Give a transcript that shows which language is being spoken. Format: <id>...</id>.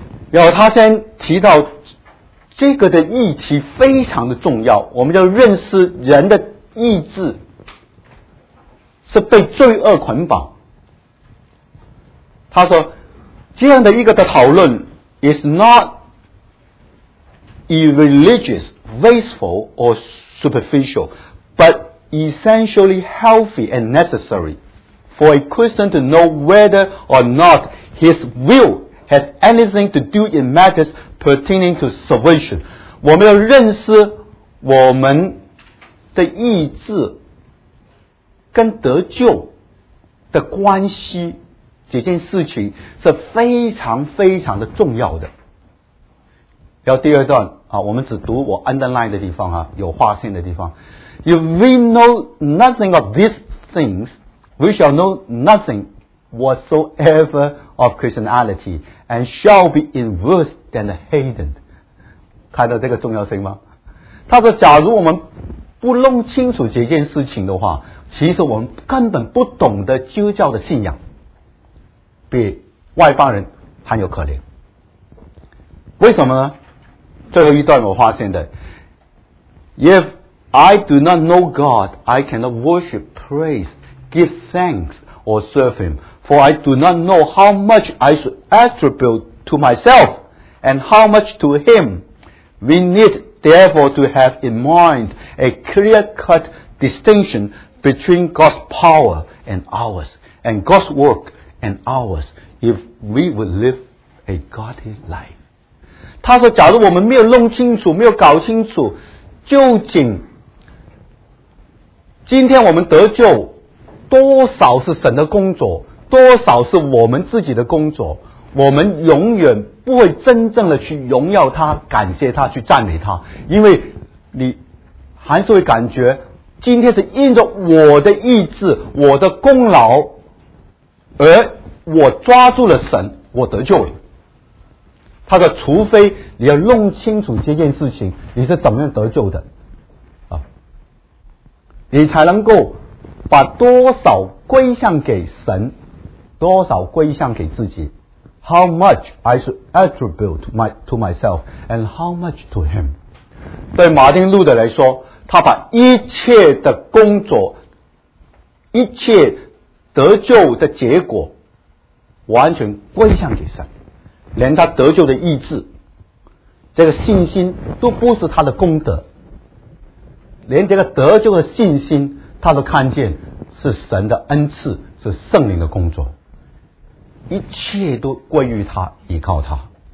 <zh>然后他先提到这个的议题非常的重要，我们要认识人的意志是被罪恶捆绑。他说这样的一个的讨论</zh> <en>is not irreligious, wasteful or superficial, but essentially healthy and necessary for a Christian to know whether or not his willhas anything to do in matters pertaining to salvation。</en> <zh>我们要认识我们的意志跟得救的关系，这件事情是非常非常的重要的。然后第二段、啊、我们只读我 underline 的地方、啊、有划线的地方。</zh> <en>If we know nothing of these things, we shall know nothingwhatsoever of Christianity and shall be in worse than the hidden。</en> <zh>看到这个重要性吗？他说假如我们不弄清楚这件事情的话，其实我们根本不懂得基督教的信仰，比外邦人还有可怜。为什么呢？最后一段我发现的</zh> <en>If I do not know God, I cannot worship, praise, give thanksor serve him, for I do not know how much I should attribute to myself and how much to him. We need therefore to have in mind a clear-cut distinction between God's power and ours, and God's work and ours, if we would live a godly life.</en> <zh>他说假如我们没有弄清楚，没有搞清楚，究竟今天我们得救多少是神的工作，多少是我们自己的工作，我们永远不会真正的去荣耀他，感谢他，去赞美他，因为你还是会感觉今天是因着我的意志，我的功劳，而我抓住了神，我得救了。他说除非你要弄清楚这件事情，你是怎么样得救的、啊、你才能够把多少归向给神，多少归向给自己。</zh> <en>How much I should attribute to myself and how much to him。</en> <zh>对马丁路德来说，他把一切的工作，一切得救的结果完全归向给神，连他得救的意志，这个信心都不是他的功德，连这个得救的信心他都看见是神的恩赐，是圣灵的工作，一切都归于他，依靠他，</zh>